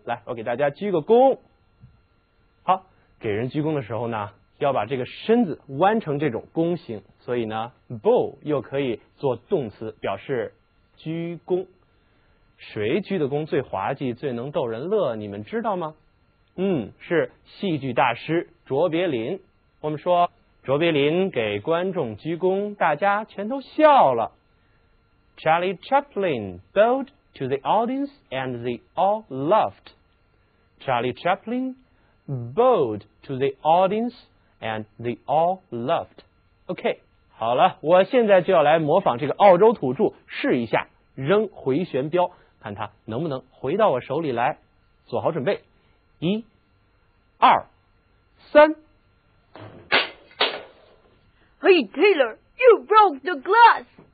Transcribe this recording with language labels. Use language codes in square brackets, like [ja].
[zh] 来，我给大家鞠个躬。好，给人鞠躬的时候呢，要把这个身子弯成这种弓形，所以呢 bow 又可以做动词表示鞠躬。谁鞠的躬最滑稽，最能逗人乐，你们知道吗？是戏剧大师卓别林。我们说卓别林给观众鞠躬，大家全都笑了。 [en] Charlie Chaplin bowed to the audience and they all laughed. Charlie Chaplin bowed to the audience and they all laughed. [zh] OK， 好了，我现在就要来模仿这个澳洲土著，试一下扔回旋镖，看它能不能回到我手里来。做好准备，一、二、三。 [en] Hey Taylor, you broke the glass.